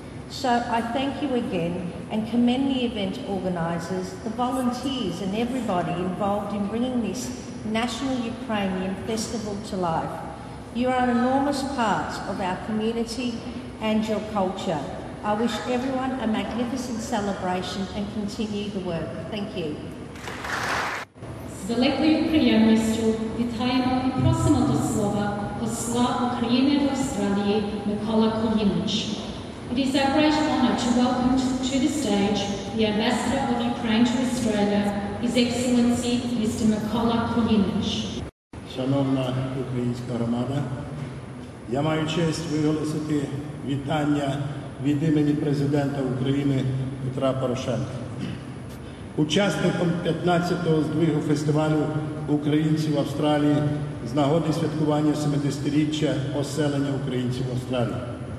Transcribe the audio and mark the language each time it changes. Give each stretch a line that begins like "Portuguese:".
English: So I thank you again and commend the event organisers, the volunteers and everybody involved in bringing this National Ukrainian Festival to life. You are an enormous part of our community and your culture. I wish everyone a magnificent celebration and continue the work. Thank you.
Ukrainian: Великий українець, вітаємо і просимо до слова посла України в Австралії Микола Кулініч.
English: It is our great honour to welcome to the stage the Ambassador of Ukraine to Australia, His Excellency Mr.
Ukrainian: Микола Кулініч. Шановна українська громада, я маю честь виголосити вітання від імені президента України Петра Порошенка. Учасником 15-го здвигу фестивалю українців в Австралії з нагоди святкування 70-річчя оселення українців в Австралії.